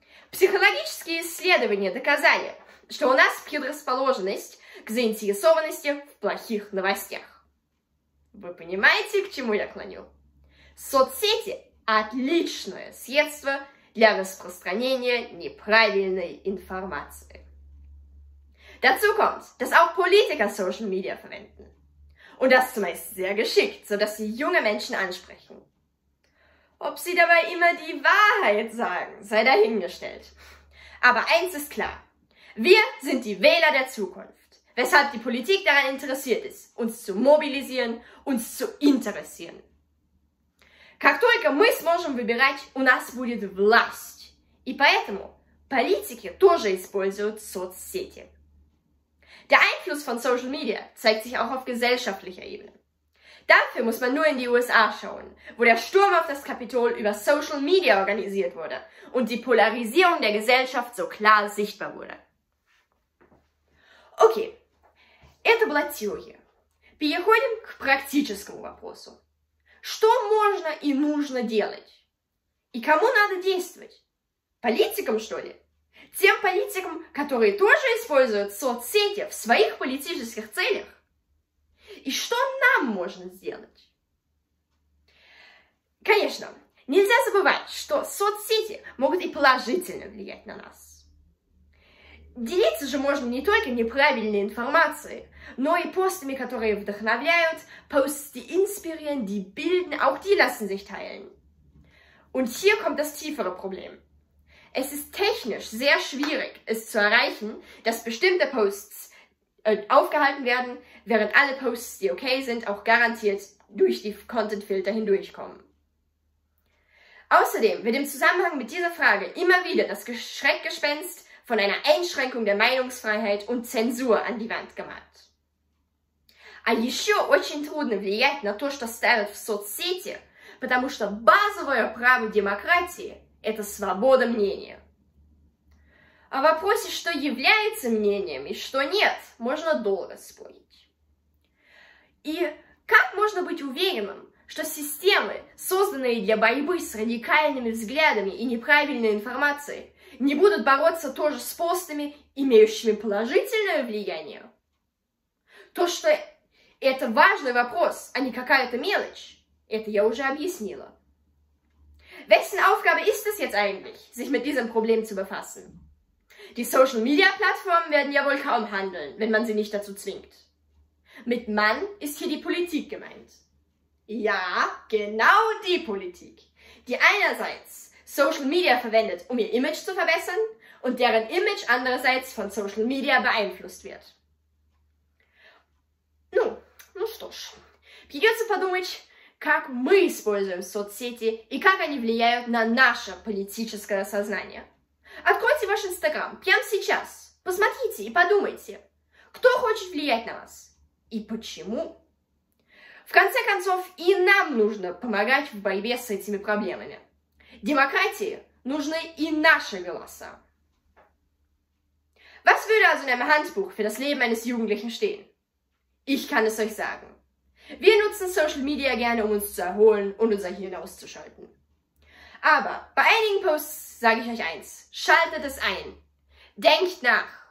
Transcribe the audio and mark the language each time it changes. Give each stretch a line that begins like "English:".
Russian: Психологические исследования доказали, что у нас предрасположенность к заинтересованности в плохих новостях. Вы понимаете, к чему я клоню? Соцсети – отличное средство для распространения неправильной информации.
German: Dazu kommt, dass auch Politiker Social Media verwenden. Und das zumeist sehr geschickt, sodass sie junge Menschen ansprechen. Ob sie dabei immer die Wahrheit sagen, sei dahingestellt. Aber eins ist klar. Wir sind die Wähler der Zukunft. Weshalb die Politik daran interessiert ist, uns zu mobilisieren, uns zu interessieren.
Russian: Как только мы сможем выбирать, у нас будет власть. И поэтому политики тоже используют соцсети.
German: Der Einfluss von Social Media zeigt sich auch auf gesellschaftlicher Ebene. Dafür muss man nur in die USA schauen, wo der Sturm auf das Kapitol über Social Media organisiert wurde und die Polarisierung der Gesellschaft so klar sichtbar wurde.
Russian: Okay, это была теория. Переходим к практическому вопросу. Что можно и нужно делать? И кому надо действовать? Политикам, что ли? Тем политикам, которые тоже используют соцсети в своих политических целях? И что нам можно сделать? Конечно, нельзя забывать, что соцсети могут и положительно влиять на нас. Делиться же можно не только неправильной информацией, но и постами, которые вдохновляют,
German: posts, die inspirieren, die bilden, auch die lassen sich teilen. Und hier kommt das tiefere Problem. Es ist technisch sehr schwierig, es zu erreichen, dass bestimmte Posts aufgehalten werden, während alle Posts, die okay sind, auch garantiert durch die Content-Filter hindurchkommen. Außerdem wird im Zusammenhang mit dieser Frage immer wieder das Schreckgespenst von einer Einschränkung der Meinungsfreiheit und Zensur an die Wand gemalt.
Russian: А еще очень трудно влиять на то, что ставят в соцсети, потому что базовое право демократии – это свобода мнения. О вопросе, что является мнением и что нет, можно долго спорить. И как можно быть уверенным, что системы, созданные для борьбы с радикальными взглядами и неправильной информацией, не будут бороться тоже с постами, имеющими положительное влияние? То, что это важный вопрос, а не какая-то мелочь, это я уже объяснила.
German: Wessen Aufgabe ist es jetzt eigentlich, sich mit diesem Problem zu befassen? Die Social Media Plattformen werden ja wohl kaum handeln, wenn man sie nicht dazu zwingt. Mit man ist hier die Politik gemeint. Ja, genau die Politik, die einerseits Social Media verwendet, um ihr Image zu verbessern und deren Image andererseits von Social Media beeinflusst wird.
Russian: Ну что ж, придется подумать, как мы используем соцсети и как они влияют на наше политическое сознание. Откройте ваш Инстаграм прямо сейчас, посмотрите и подумайте, кто хочет влиять на вас и почему. В конце концов, и нам нужно помогать в борьбе с этими проблемами. Демократии нужны и наши голоса.
German: Was würde also in einem Handbuch für das Leben eines Jugendlichen stehen? Ich kann es euch sagen. Wir nutzen Social Media gerne, um uns zu erholen und unser Hirn auszuschalten. Aber bei einigen Posts sage ich euch eins. Schaltet es ein. Denkt nach.